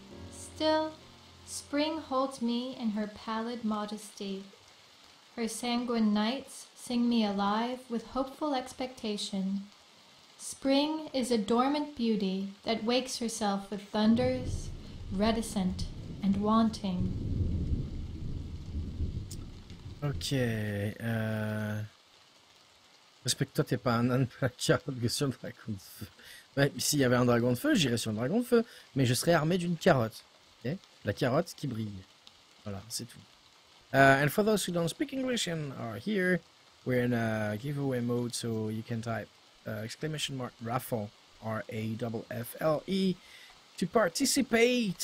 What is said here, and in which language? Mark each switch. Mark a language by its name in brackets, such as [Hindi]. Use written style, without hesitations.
[English] Still, spring holds me in her pallid modesty. Her sanguine nights sing me alive with hopeful expectation. Spring is a dormant beauty that wakes herself with thunders, reticent and wanting. [French] Okay, respecte toi, t'es pas un âne placarde sur le dragon de feu. Mais s'il y avait un dragon de feu, j'irais sur le dragon de feu, mais je serais armé d'une carotte. Okay, la carotte qui brille. Voilà, c'est tout. [English] And for those who don't speak English and are here, we're in a giveaway mode, so you can type exclamation mark raffle, RAFFLE, to participate.